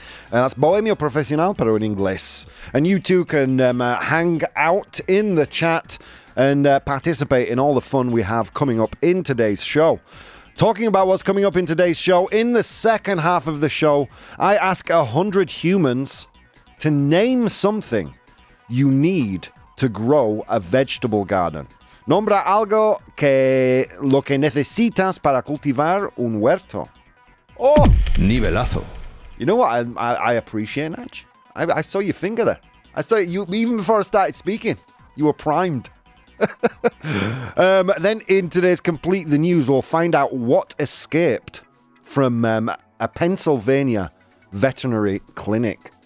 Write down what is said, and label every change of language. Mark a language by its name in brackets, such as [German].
[English] That's Bohemio Profesional, [Spanish] pero en inglés. [English] And you too can hang out in the chat and participate in all the fun we have coming up in today's show. Talking about what's coming up in today's show, in the second half of the show, I ask 100 humans to name something you need to grow a vegetable garden. [Spanish] Nombra algo que lo que necesitas para cultivar un huerto. Oh! Nivelazo. [English] You know what I appreciate, Natch? I saw your finger there. I saw you even before I started speaking. You were primed. Then in today's Complete the News, we'll find out what escaped from a Pennsylvania veterinary clinic.